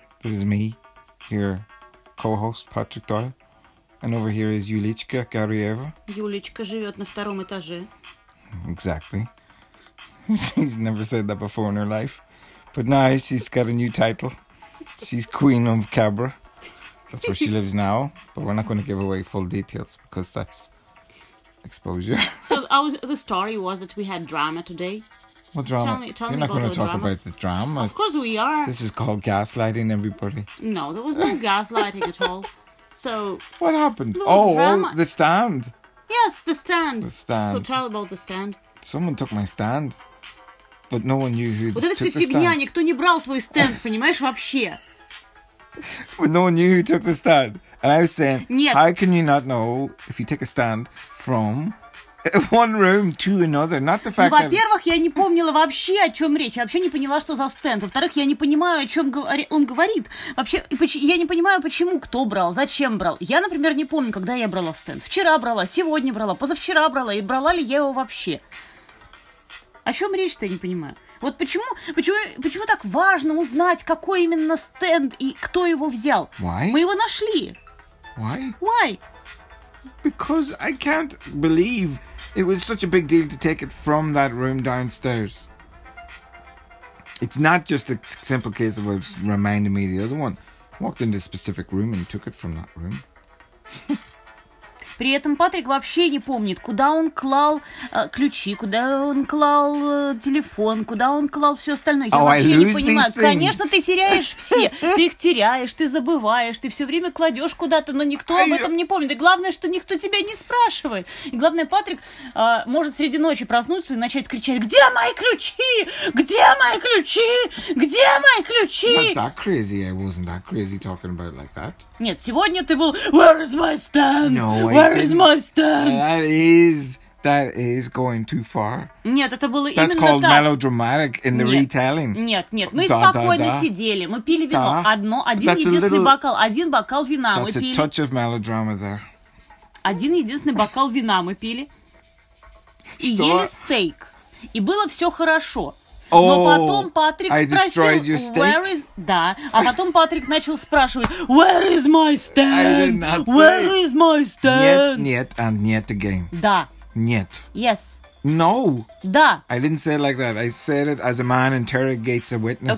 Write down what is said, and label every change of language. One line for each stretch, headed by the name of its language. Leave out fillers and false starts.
English: This is me, your co-host, Patrick Doyle. And over here is Yulichka Garyeva.
Russian: Yulichka живет на втором этаже.
English: Exactly. She's never said that before in her life. But now she's got a new title. She's Queen of Cabra. That's where she lives now. But we're not going to give away full details because that's... exposure. So the story was that we had drama today. What drama? Tell me you're not going to talk drama. About the drama. Of course we are. This is called gaslighting, everybody. No, there was no gaslighting at all. So what happened? The stand. Yes, the stand. The stand. So tell about the stand. Someone took my stand, but no one knew who took the stand.
Russian: Вот это все фигня. Никто не брал твой стенд, понимаешь вообще?
English: But no one knew who took the stand. And I was saying, how can you not know if you take a stand from one room to another? Not the fact that...
Russian: Во-первых, я не помнила вообще, о чем речь. Я вообще не поняла, что за стенд. Во-вторых, я не понимаю, о чем он говорит. Вообще, я не понимаю, почему, кто брал, зачем брал. Я, например, не помню, когда я брала стенд. Вчера брала, сегодня брала, позавчера брала. И брала ли я его вообще? О чем речь-то, я не понимаю. Вот почему так важно узнать, какой именно стенд и кто его взял?
English: Why?
Russian: Мы его нашли.
English: Why? Why? Because I can't believe it was such a big deal to take it from that room downstairs. It's not just a simple case of reminding me the other one. Walked into a specific room and took it from that room.
Russian: При этом Патрик вообще не помнит, куда он клал ключи, куда он клал телефон, куда он клал все остальное. Я вообще не понимаю. Конечно, ты теряешь все. Ты их теряешь, ты забываешь, ты все время кладешь куда-то, но никто об этом не помнит. И главное, что никто тебя не спрашивает. И главное, Патрик может среди ночи проснуться и начать кричать: «Где мои ключи? Где мои ключи? Где мои ключи?»
English: Not that crazy. I wasn't that crazy talking about it like that.
Russian: Нет, сегодня ты был
English: «Where is my stand?» No. Where is my stand? That is going too far.
Russian: Нет, это было именно так.
English: That's called melodramatic in the retelling.
Russian: Нет, нет, мы спокойно сидели, мы пили вино, один единственный бокал вина мы пили.
English: That's a touch of melodrama there.
Russian: Один единственный бокал вина мы пили. И ели стейк. И было все хорошо. Но потом Патрик спросил,
English: where is...
Russian: Да. А потом Патрик начал спрашивать,
English: where is my stand? Where is my stand?
Russian: Нет, нет,
English: and
Russian: нет
English: again.
Russian: Да. Нет.
English: Yes. No.
Russian: Да.
English: I didn't say it like that. I said it as a man interrogates a witness.